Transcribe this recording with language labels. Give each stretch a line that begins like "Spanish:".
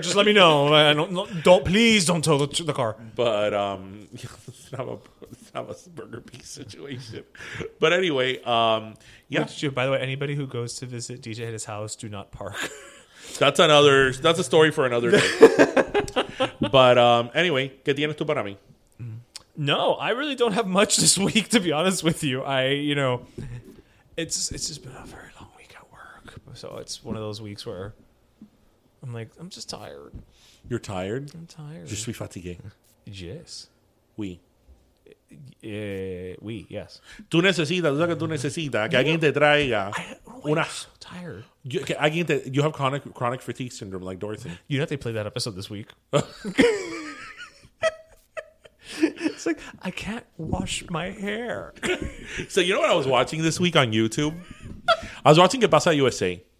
English: Just let me know. Don't tow the car." But it's not a Burger Beast situation. But anyway, By the way, anybody who goes to visit DJ at his house, do not park. That's a story for another day. But anyway,
Spanish: ¿qué tienes tú para mí?
English: No, I really don't have much this week, to be honest with you. It's just been a very long week at work. So it's one of those weeks where I'm like, I'm just tired. You're tired? I'm tired.
French: Je suis fatigué.
English: Yes.
French: Oui. Oui, yes.
Spanish: Tú necesitas, lo que tú necesitas, que alguien te traiga.
English: I'm so tired. You have chronic fatigue syndrome like Dorothy. You know they play that episode this week. It's like, I can't wash my hair. So you know what I was watching this week on YouTube? I was watching Pasa USA.